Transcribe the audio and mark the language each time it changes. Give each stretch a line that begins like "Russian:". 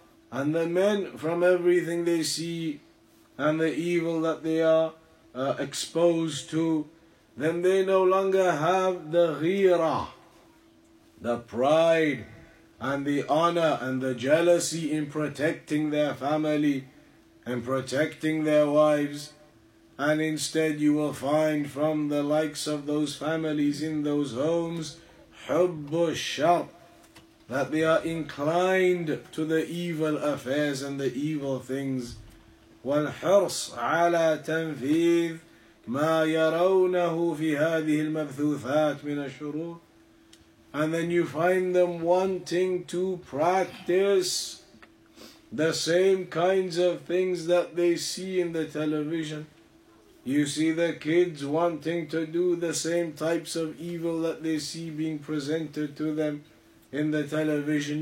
English: And the men, from everything they see and the evil that they are exposed to, then they no longer have the ghira, the pride and the honor and the jealousy in protecting their family and protecting their wives. And instead you will find from the likes of those families in those homes,
Arabic: حُبُّ الشَّرْ,
English: that they are inclined to the evil affairs and the evil things.
Arabic: والحرص على تنفيذ ما يرونه في هذه المبثوثات من الشرور.
English: And then you find them wanting to practice the same kinds of things that they see in the television. You see the kids wanting to do the same types of evil that they see being presented to them in the television.